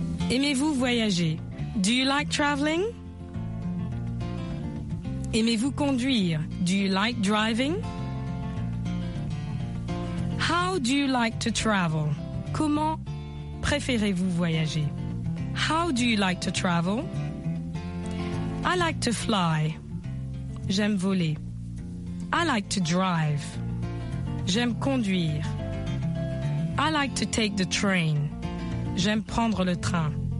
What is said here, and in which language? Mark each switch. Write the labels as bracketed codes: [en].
[fr] Aimez-vous voyager? [en] Do you like traveling? [fr] Aimez-vous conduire? [en] Do you like driving? How do you like to travel? [fr] Comment préférez-vous voyager? [en] How do you like to travel? I like to fly. [fr] J'aime voler. [en] I like to drive. [fr] J'aime conduire. [en] I like to take the train. [fr] J'aime prendre le train.